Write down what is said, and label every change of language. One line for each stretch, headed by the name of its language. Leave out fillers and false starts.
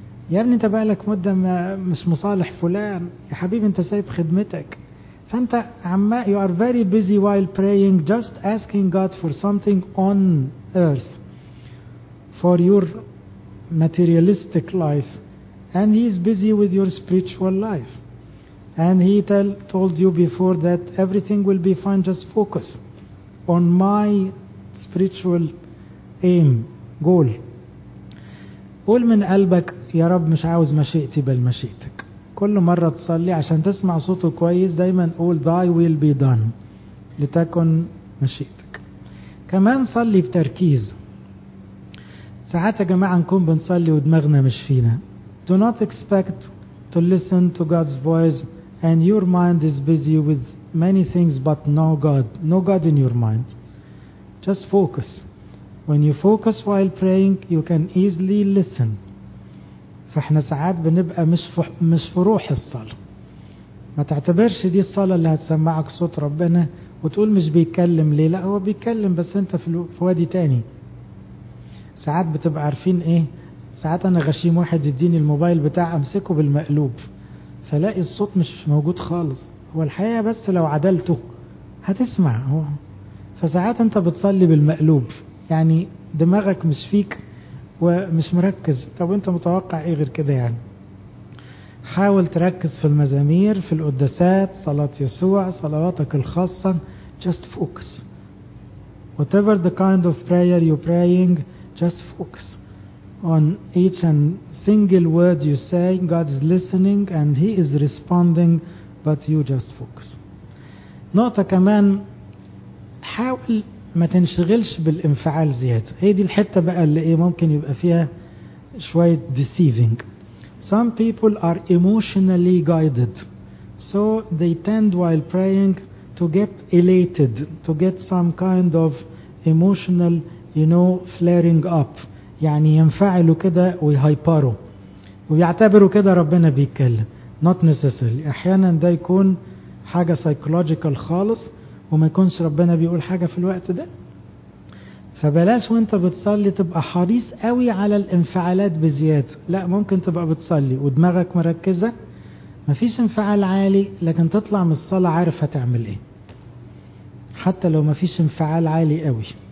Arabic: يا ابني انت بقالك مدة مش مصالح فلان، يا حبيبي انت سايب خدمتك، فانت عم
English: you are very busy while praying just asking God for something on earth for your materialistic life and he is busy with your spiritual life and he told you before that everything will be fine, just focus on my spiritual aim, goal.
Arabic: قول من قلبك يا رب مش عاوز مشيئتي بل مشيئتك. كل مرة تصلي عشان تسمع صوته كويس دايما قول
English: thy will be done،
Arabic: لتكن مشيئتك. كمان صلي بتركيز. ساعات يا جماعة نكون بنصلي ودماغنا مش فينا.
English: Do not expect to listen to God's voice and your mind is busy with many things but no God. No God in your mind. Just focus. When you focus while praying you can easily listen.
Arabic: فاحنا ساعات بنبقى مش في روح الصلاة. ما تعتبرش دي الصلاة اللي هتسمعك صوت ربنا وتقول مش بيتكلم ليه، لا هو بيتكلم بس انت في وادي تاني. ساعات بتبقى عارفين ايه، ساعات انا غشيم واحد يديني الموبايل بتاع امسكه بالمقلوب فلاقي الصوت مش موجود خالص. هو الحقيقة بس لو عدلته هتسمع هو. فساعات انت بتصلي بالمقلوب يعني دماغك مش فيك ومش مركز، طب انت متوقع ايه غير كده يعني. حاول تركز في المزامير، في القداسات، صلاة يسوع، صلواتك الخاصة.
English: just focus whatever the kind of prayer you're praying just focus on each and single word you say. God is listening and he is responding but you just focus.
Arabic: نقطة كمان، حاول ما تنشغلش بالانفعال زيادة. هي دي الحتة بقى اللي ايه ممكن يبقى فيها شوية deceiving.
English: Some people are emotionally guided so they tend while praying to get elated, to get some kind of emotional you know flaring up،
Arabic: يعني ينفعلوا كده ويهايبروا ويعتبروا كده ربنا بيتكلم.
English: Not necessarily.
Arabic: احيانا ده يكون حاجة psychological خالص وما يكونش ربنا بيقول حاجة في الوقت ده. فبلاش وانت بتصلي تبقى حريص قوي على الانفعالات بزيادة. لا، ممكن تبقى بتصلي ودماغك مركزة مفيش انفعال عالي لكن تطلع من الصلاة عارف هتعمل ايه حتى لو مفيش انفعال عالي قوي.